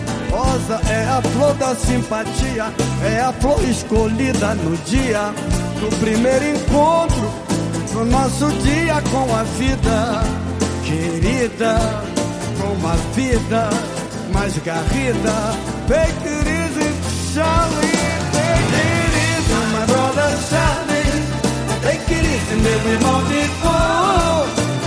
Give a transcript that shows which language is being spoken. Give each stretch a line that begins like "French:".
Portuguese: Rosa é a flor da simpatia. É a flor escolhida no dia do primeiro encontro. No nosso dia com a vida querida, com uma vida mais garrida.
English: Take it easy, Charlie. Take it easy, my brother Charlie. Take it easy,
Portuguese: meu irmão de cor.